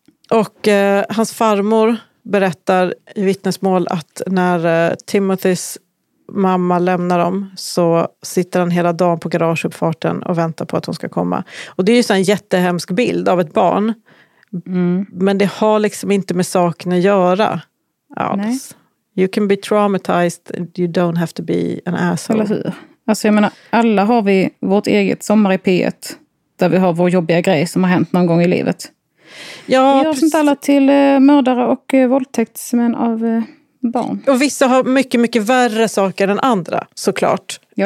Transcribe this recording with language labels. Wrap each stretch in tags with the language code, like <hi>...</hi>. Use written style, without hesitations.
<sv>Och hans farmor berättar i vittnesmål att när Timothys mamma lämnar dem så sitter han hela dagen på garageuppfarten och väntar på att hon ska komma. Och det är ju så en jättehemsk bild av ett barn. Men det har liksom inte med saken att göra alls. Nej.</sv> <en>You can be traumatized, you don't have to be an asshole.</en> <sv>Eller hur? Alltså jag menar, alla har vi vårt eget sommar i P1 där vi har vår jobbiga grej som har hänt någon gång i livet. Ja, vi gör sånt alla till mördare och våldtäktsmän av barn. Och vissa har mycket, mycket värre saker än andra, såklart.</sv>